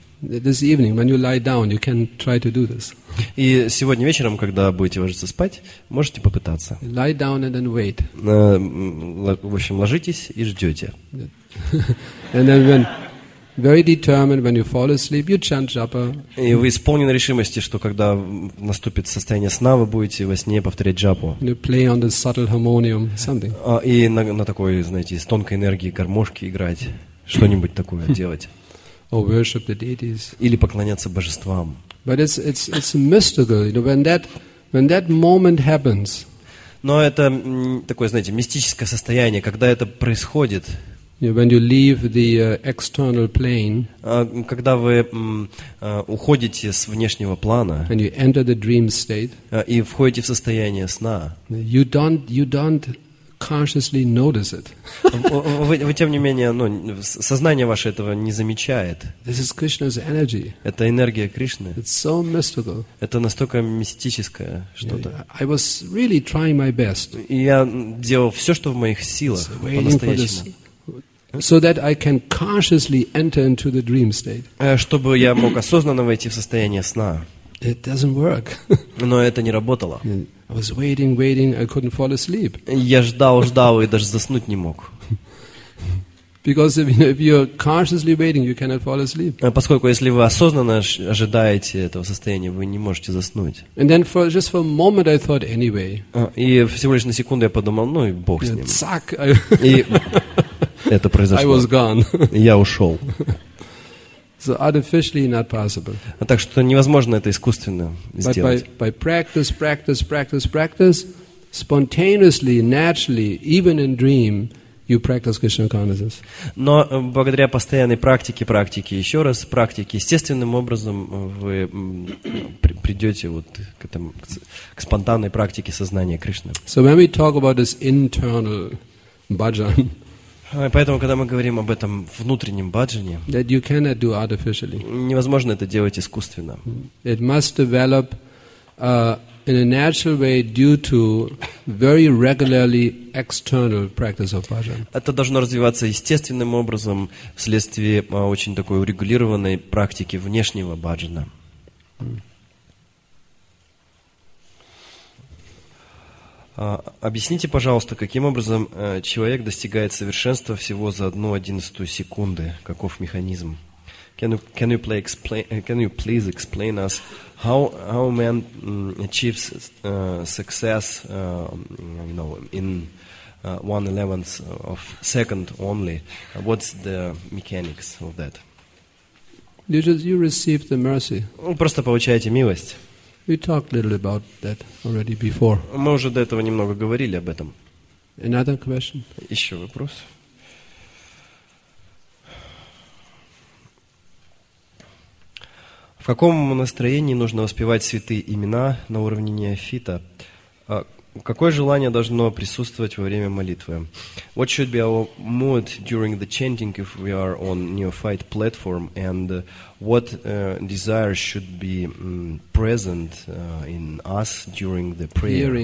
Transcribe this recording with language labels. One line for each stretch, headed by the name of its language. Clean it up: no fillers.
English: This evening, when you lie down, you can try to do this.
Russian: И сегодня вечером, когда будете ложиться спать, можете попытаться.
English: Lie down and then wait.
Russian: В общем, ложитесь и ждете.
English: And then when very determined when you fall asleep, you chant japa.
Russian: И вы исполнены решимости, что когда наступит состояние сна, вы будете во сне повторять джапу.
English: You play on the subtle harmonium, something.
Russian: И на такой, знаете, с тонкой энергией гармошки играть, что-нибудь такое делать.
English: Or worship the deities.
Russian: Или поклоняться божествам.
English: But it's mystical, you know, when that moment happens.
Russian: Но это такое, знаете, мистическое состояние, когда это происходит.
English: When you leave the external plane,
Russian: когда вы уходите с внешнего плана,
English: and you enter the dream state,
Russian: и входите в состояние сна,
English: you don't consciously notice it.
Russian: Вы тем не менее, ну, сознание ваше этого не замечает.
English: This is Krishna's energy.
Russian: Это энергия Кришны.
English: It's so mystical.
Russian: Это настолько мистическое что-то.
English: I was really trying my best.
Russian: Я делал все, что в моих силах, по-настоящему.
English: So that I can consciously enter into the dream state.
Russian: Чтобы я мог осознанно войти в состояние сна.
English: It doesn't work.
Russian: Но это не работало.
English: I was waiting, I couldn't fall asleep.
Russian: Я ждал и даже заснуть не мог.
English: Because if you're consciously waiting, you cannot fall asleep.
Russian: Поскольку если вы осознанно ожидаете этого состояния, вы не можете заснуть.
English: And then just for a moment I thought anyway.
Russian: И всего лишь на секунду я подумал, ну и бог с ним. Цак. И это произошло.
English: I was gone.
Russian: Я ушел.
English: So artificially not possible.
Russian: Так что невозможно это искусственно сделать.
English: By practice, spontaneously, naturally, even in dream, you practice Krishna consciousness.
Russian: Но благодаря постоянной практике, еще раз практике, естественным образом вы придете вот к этому, к спонтанной практике сознания Кришны.
English: So when we talk about this internal bhajan,
Russian: поэтому, когда мы говорим об этом внутреннем баджане,
English: that you cannot do artificially,
Russian: невозможно это делать искусственно.
English: It must develop in a natural way due to very regularly external practice of bhajan.
Russian: Это должно развиваться естественным образом вследствие очень такой урегулированной практики внешнего баджана. Объясните, пожалуйста, каким образом человек достигает совершенства всего за 1/11 секунды? Каков механизм?
English: Can you please explain us how man achieves success, you know, in 1/11 of second only? What's the mechanics of that? You receive the mercy.
Russian: Просто получаете милость.
English: We talked a little about that already before.
Russian: Мы уже до этого немного говорили об этом.
English: Another question?
Russian: Еще вопрос. В каком настроении нужно воспевать святые имена на уровне неофита? Какое желание должно присутствовать во время молитвы?
English: What should be our mood during the chanting if we are on neophyte platform, and what desire should be present in us during the prayer?